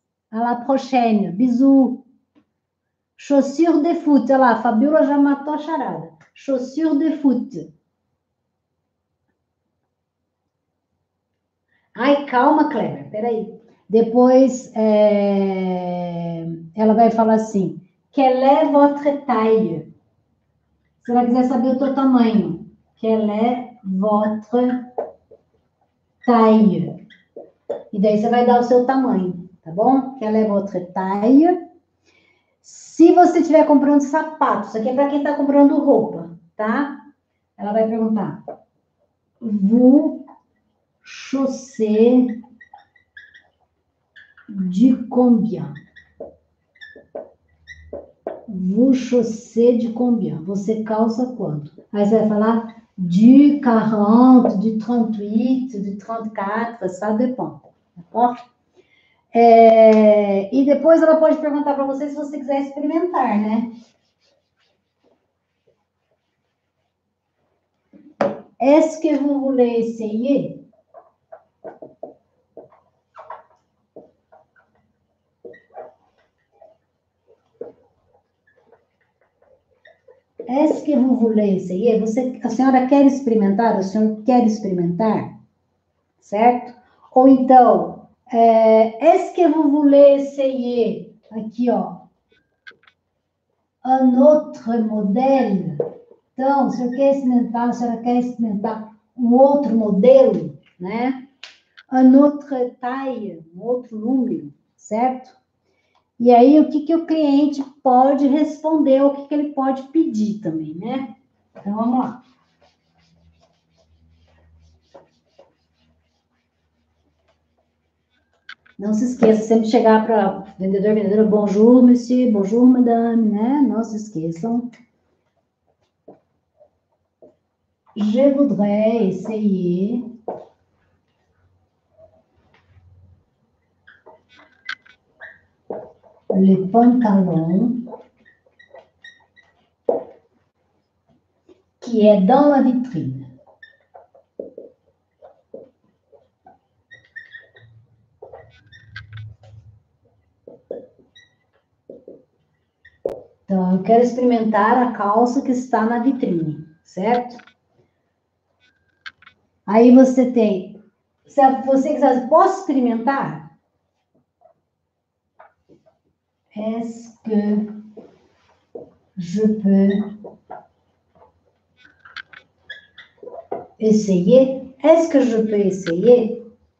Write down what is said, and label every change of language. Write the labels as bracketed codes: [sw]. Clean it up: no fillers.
[fr] À la prochaine, bisous. Chaussures de foot. [pt] Olha lá, a Fabiola já matou a charada. Chaussures de foot. Ai, calma, Kleber, peraí. Depois, ela vai falar assim. [fr] Quelle est votre taille? [pt] Se ela quiser saber o teu tamanho. [fr] Quelle est votre taille? [pt] E daí você vai dar o seu tamanho. Tá bom? Quer levar outra taille? Se você estiver comprando sapato, isso aqui é para quem está comprando roupa, tá? Ela vai perguntar. [fr] Vous chaussez de combien? Vous chaussez de combien? [pt] Você calça quanto? Aí você vai falar de 40, de 38, de 34, [fr] ça dépend. [pt] D'accord? E depois ela pode perguntar para você se você quiser experimentar, né? [fr] Est-ce que vous voulez essayer? Est-ce que vous voulez essayer? [pt] Você, a senhora quer experimentar? O senhor quer experimentar? Certo? Ou então... [fr] est-ce que vous voulez essayer, [pt] aqui ó, [fr] un autre modèle? [pt] Então, se eu quer experimentar, se ela quer experimentar um outro modelo, né? [fr] Un autre taille, [pt] um outro número, certo? E aí, o que, que o cliente pode responder, o que, que ele pode pedir também, né? Então, vamos lá. Não se esqueça, sempre chegar para vendedor, vendedora, [fr] bonjour, monsieur, bonjour, madame, [pt] né? Não se esqueçam. [fr] Je voudrais essayer le pantalon qui est dans la vitrine. [pt] Então, eu quero experimentar a calça que está na vitrine, certo? Aí você tem... Se você quiser, posso experimentar? [fr] Est-ce que je peux essayer? Est-ce que je peux essayer?